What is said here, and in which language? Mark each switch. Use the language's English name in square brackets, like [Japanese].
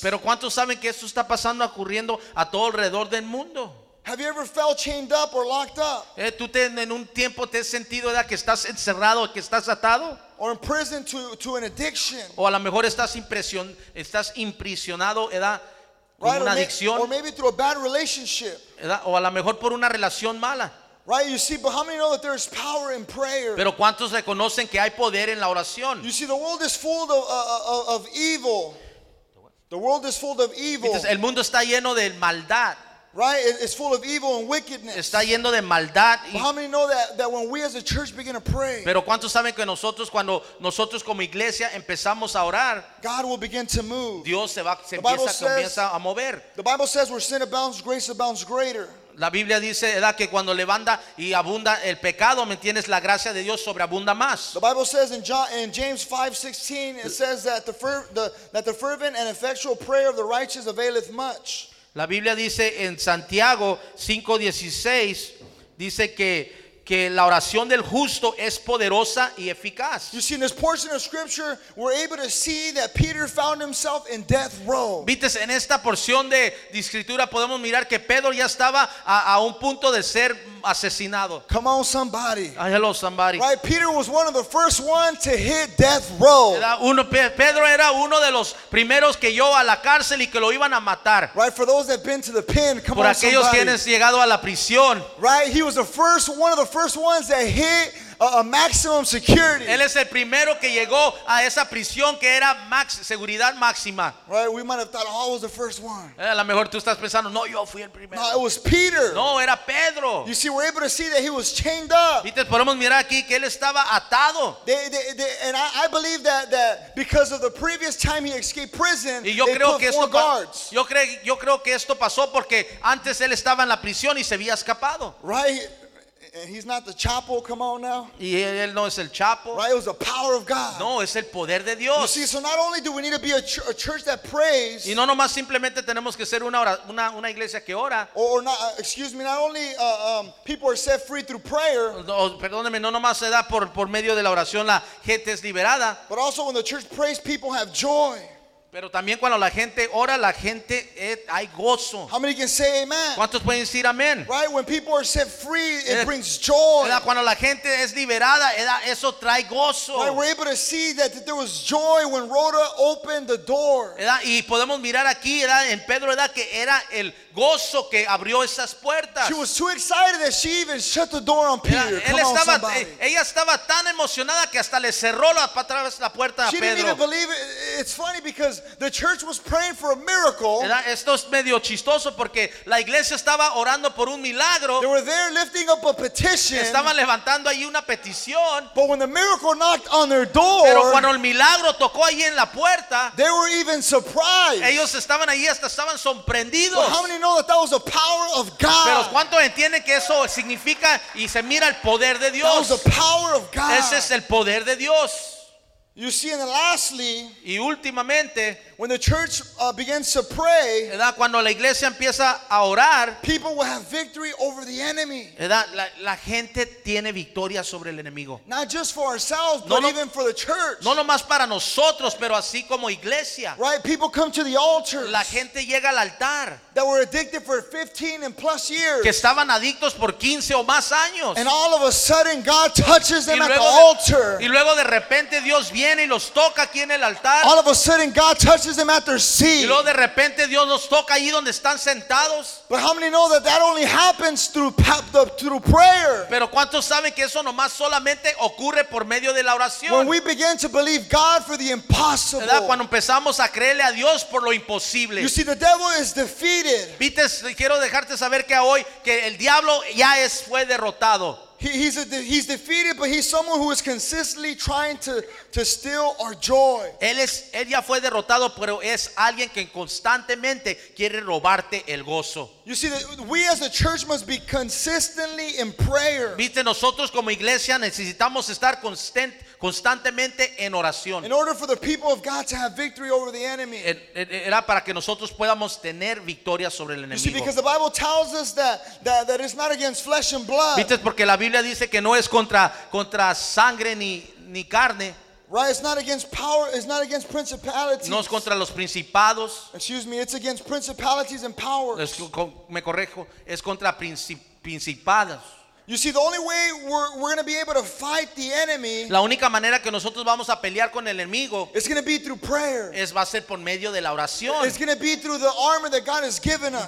[Spanish] Pero ¿cuántos saben que esto está pasando ocurriendo a todo alrededor del mundo? [English] Have you ever felt chained up or locked up? [Spanish] ¿Tú en un tiempo te has sentido ya que estás encerrado, que estás atado? [English] Or in prison to an addiction. [Spanish] O a lo mejor estás imprisionado, ¿verdad? Con una adicción. [English] Or maybe through a bad relationship. [Spanish] O a lo mejor por una relación mala. [English] Right, you see, but how many know that there is power in prayer? [Spanish] Pero ¿cuántos reconocen que hay poder en la oración? [English] You see, the world is full of evil. The world is full of evil. [Spanish] Entonces, el mundo está lleno de maldad. [English] Right, it's full of evil and wickedness. [Spanish] Está lleno de maldad. [English] But how many know that when we as a church begin to pray? [Spanish] Pero ¿cuántos saben que nosotros cuando nosotros como iglesia empezamos a orar? [English] God will begin to move. [Spanish] Dios se comienza a mover. [English] The Bible says, "Where sin abounds, grace abounds greater." [Spanish] La Biblia dice, ¿verdad? Que cuando levanta y abunda el pecado, ¿me entiendes? La gracia de Dios sobreabunda más. [English] The Bible says in James 5:16, it says that the fervent and effectual prayer of the righteous availeth much. [Spanish] La Biblia dice en Santiago 5:16, dice que la oración del justo es poderosa y eficaz. [English] You see, in this portion of scripture, we're able to see that Peter found himself in death row. [Spanish] Viste, en esta porción de escritura podemos mirar que Pedro ya estaba a un punto de ser asesinado. [English] Come on, somebody. Ah, hello, somebody. Right, Peter was one of the first ones to hit death row. [Spanish] Pedro era uno de los primeros que llegó a la cárcel y que lo iban a matar. [English] Right, for those that have been to the pen, come on, somebody. [Spanish] Por aquellos quienes llegado a la prisión. [English] Right, he was the first one of the first ones that hit a maximum security. [Spanish] Él es el primero que llegó a esa prisión que era seguridad máxima. [English] Right? We might have thought, oh, I was the first one. [Spanish] A lo mejor tú estás pensando, no, yo fui el primero. [English] No, it was Peter. [Spanish] No, era Pedro. [English] You see, we're able to see that he was chained up. [Spanish] Y te podemos mirar aquí que él estaba atado. [English] And I believe that because of the previous time he escaped prison, [Spanish] y yo [English] they [Spanish] creo [English] put [Spanish] que [English] four guards. [Spanish] Yo creo que esto pasó porque antes él estaba en la prisión y se había escapado. [English] Right. And he's not the Chapo, come on now. [Spanish] Y él no es el Chapo. [English] Right, it was the power of God. [Spanish] No, es el poder de Dios. [English] You see, so not only do we need to be a church that prays. [Spanish] Y no nomás simplemente tenemos que ser una iglesia que ora. [English] Not only people are set free through prayer. [Spanish] No, perdóneme, no nomás se da por medio de la oración la gente es liberada. [English] But also when the church prays, people have joy. [Spanish] Pero también cuando la gente ora, la gente hay gozo. [English] How many can say amen? [Spanish] ¿Cuántos pueden decir amén? [English] Right, when people are set free, it brings joy. [Spanish] Cuando la gente es liberada, eso trae gozo. [English] Right, we're able to see that there was joy when Rhoda opened the door. [Spanish] Y podemos mirar aquí, en Pedro, que era el gozo que abrió esas puertas. [English] She was too excited that she even shut the door on Peter. [Spanish] Ella estaba tan emocionada que hasta le cerró para atrás la puerta a [English] Pedro. She didn't even believe it. It's funny because the church was praying for a miracle. [Spanish] Esto es medio chistoso porque la iglesia estaba orando por un milagro. [English] They were there lifting up a petition. [Spanish] Estaban levantando ahí una petición. [English] But when the miracle knocked on their door, [Spanish] pero cuando el milagro tocó ahí en la puerta, [English] they were even surprised. [Spanish] Ellos estaban ahí hasta estaban sorprendidos. [English] But how many know that was the power of God? [Spanish] Pero ¿cuánto entienden que eso significa y se mira el poder de Dios? [English] That was the power of God. [Spanish] Ese es el poder de Dios. [English] You see, and lastly, [Spanish] y últimamente, [English] when the church begins to pray, [Spanish] cuando la iglesia empieza a orar, [English] people will have victory over the enemy. [Spanish] La gente tiene victoria sobre el enemigo. [English] Not just for ourselves, but even for the church. [Spanish] No nomás para nosotros, pero así como iglesia. [English] Right? People come to the altar. [Spanish] La gente llega al altar. [English] That were addicted for 15 and plus years. [Spanish] Que estaban adictos por 15 o más años. [English] And all of a sudden, God touches them at the altar. [Spanish] Y luego de repente Dios viene y los toca aquí en el altar. [English] All of a sudden, God touches them at their seat. [Spanish] Y luego de repente Dios los toca ahí donde están sentados. [English] But how many know that only happens through prayer? [Spanish] Pero ¿cuántos saben que eso nomás solamente ocurre por medio de la oración? [English] When we begin to believe God for the impossible. [Spanish] Cuando empezamos a creerle a Dios por lo imposible. [English] You see, the devil is defeated. [Spanish] Viste, quiero dejarte saber que hoy que el diablo ya fue derrotado. [English] He's defeated, but he's someone who is consistently trying to steal our joy. [Spanish] Él ya fue derrotado, pero es alguien que constantemente quiere robarte el gozo. [English] You see, we as a church must be consistently in prayer. [Spanish] Viste, nosotros como iglesia necesitamos estar constantemente en oración. [English] In order for the people of God to have victory over the enemy. [Spanish] Era para que nosotros podamos tener victoria sobre el enemigo. [English] You see, because the Bible tells us that it's not against flesh and blood. [Spanish] Viste, porque la Biblia dice que no es contra sangre ni carne. [English] Right, it's not against power, it's not against principalities. [Spanish] No es contra los principados. [English] Excuse me, it's against principalities and powers. [Spanish] Me corrijo, es contra principados. [English] You see, the only way we're going to be able to fight the enemy, [Spanish] la única manera que nosotros vamos a pelear con el enemigo, [English] is going to be through prayer. [Spanish] Va a ser por medio de la oración. [English] It's going to be through the armor that God has given us.